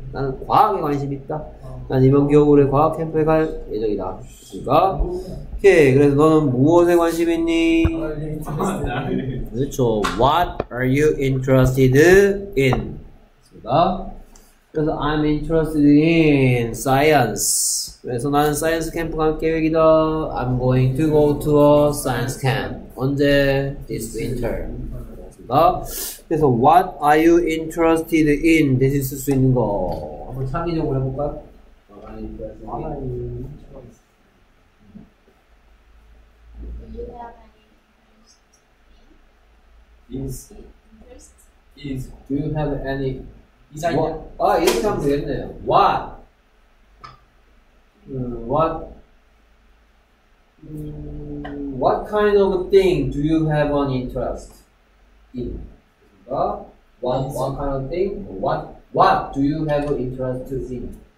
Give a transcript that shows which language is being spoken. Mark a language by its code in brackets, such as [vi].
[ko] 나는 과학에 관심이 있다. 난 이번 겨울에 과학 캠프에 갈 예정이다. 그니까? 오케이. 그래서 너는 무엇에 관심 있니? 그렇죠. [en] What are you interested in? [ko] 그렇습니다. [en] 그래서 I'm interested in science. [ko] 그래서 나는 사이언스 캠프 갈 계획이다. [en] I'm going to go to a science camp. 언제? This winter. 그래서 What are you interested in? [ko] 대신 쓸 수 있는 거 한번 창의적으로 해볼까요? [en] Do you have any interest? Is. Do you have any? [ko] 이상이야? 아, 이렇게 하면 되겠네요. [en] What? What kind of thing do you have an interest in? What kind of thing? What do you have an interest to see?